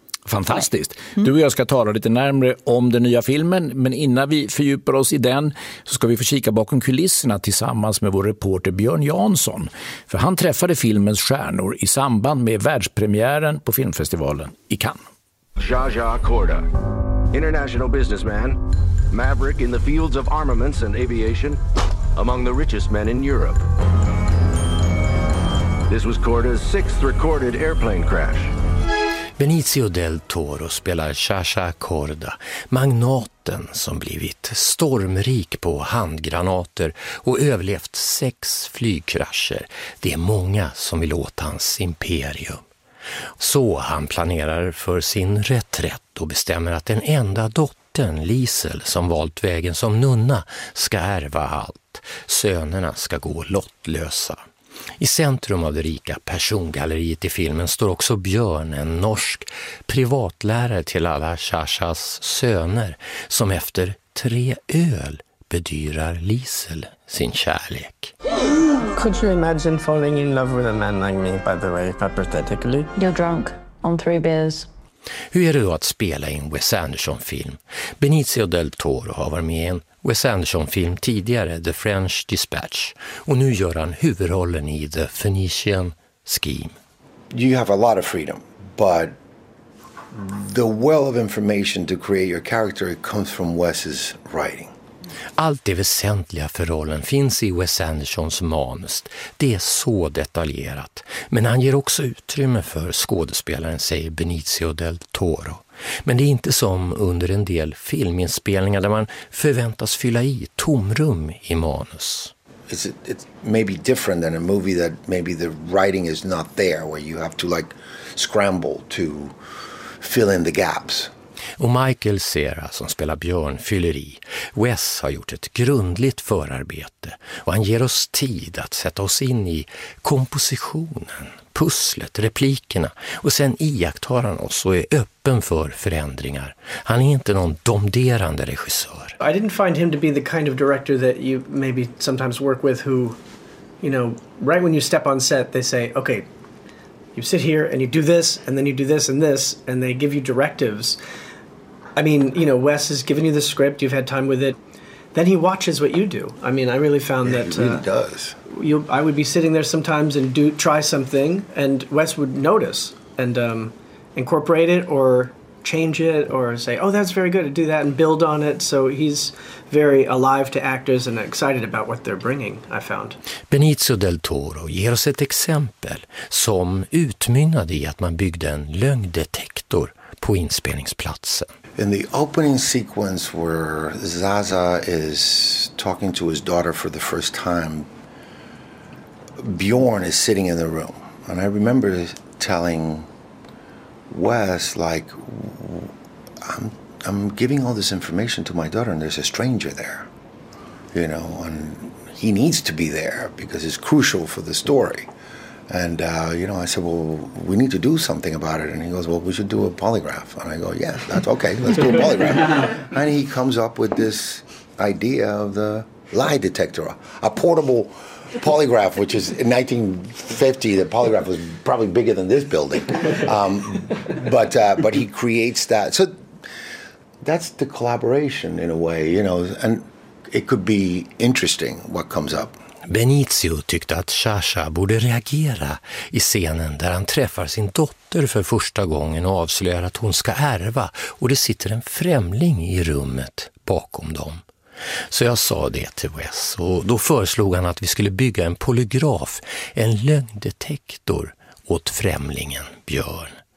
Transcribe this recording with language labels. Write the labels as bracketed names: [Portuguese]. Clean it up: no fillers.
[Swedish] Fantastiskt. Du och jag ska tala lite närmare om den nya filmen, men innan vi fördjupar oss i den så ska vi få kika bakom kulisserna tillsammans med vår reporter Björn Jansson. För han träffade filmens stjärnor i samband med världspremiären på filmfestivalen i Cannes. [English] Zsa Zsa Korda, international businessman, maverick in the fields of armaments and aviation, among the richest men in Europe. This was Korda's sixth recorded airplane crash. [Swedish] Benicio del Toro spelar Zsa Zsa Korda, magnaten som blivit stormrik på handgranater och överlevt 6 flygkrascher. Det är många som vill åt hans imperium. Så han planerar för sin reträtt och bestämmer att den enda dottern Liesel, som valt vägen som nunna, ska ärva allt. Sönerna ska gå lottlösa. I centrum av det rika persongalleriet i filmen står också Björn, en norsk privatlärare till alla Shashas söner, som efter 3 öl bedyrar Liesel sin kärlek. [English] Could you imagine falling in love with a man like me, by the way, hypothetically? You're drunk on 3 beers. [Swedish] Hur är det då att spela i en Wes Anderson-film? Benicio del Toro har varit med i en Wes Anderson-film tidigare, The French Dispatch. Och nu gör han huvudrollen i The Phoenician Scheme. [English] You have a lot of freedom, but the well of information to create your character comes from Wes's writing. [Swedish] Allt det väsentliga för rollen finns i Wes Andersons manus. Det är så detaljerat. Men han ger också utrymme för skådespelaren, säger Benicio del Toro. Men det är inte som under en del filminspelningar där man förväntas fylla i tomrum i manus. [English] It may be different than a movie that maybe the writing is not there, where you have to like scramble to fill in the gaps. [Swedish] Och Michael Cera, som spelar Björn, fyller i. Wes har gjort ett grundligt förarbete och han ger oss tid att sätta oss in i kompositionen, pusslet, replikerna. Och sen iakttar han oss och är öppen för förändringar. Han är inte någon domderande regissör. [English] I didn't find him to be the kind of director that you maybe sometimes work with who, you know, right when you step on set they say, okay, you sit here and you do this and then you do this and they give you directives. I mean, you know, Wes has given you the script, you've had time with it. Then he watches what you do. I mean, I really found yeah, that he really does. I would be sitting there sometimes and try something and Wes would notice and incorporate it or change it or say, "Oh, that's very good," to do that and build on it. So he's very alive to actors and excited about what they're bringing, I found. [Swedish] Benicio del Toro ger oss ett exempel som utmynnade i att man byggde en lögndetektor på inspelningsplatsen. [English] In the opening sequence where Zsa Zsa is talking to his daughter for the first time, Björn is sitting in the room. And I remember telling Wes, like, I'm giving all this information to my daughter and there's a stranger there, you know, and he needs to be there because it's crucial for the story. And, you know, I said, well, we need to do something about it. And he goes, well, we should do a polygraph. And I go, yeah, that's okay. Let's do a polygraph. And he comes up with this idea of the lie detector, a portable polygraph, which is in 1950, the polygraph was probably bigger than this building. But he creates that. So that's the collaboration in a way, you know, and it could be interesting what comes up. [Swedish] Benicio tyckte att Sasha borde reagera i scenen där han träffar sin dotter för första gången och avslöjar att hon ska ärva och det sitter en främling i rummet bakom dem. Så jag sa det till Wes och då föreslog han att vi skulle bygga en polygraf, en lögndetektor åt främlingen Björn.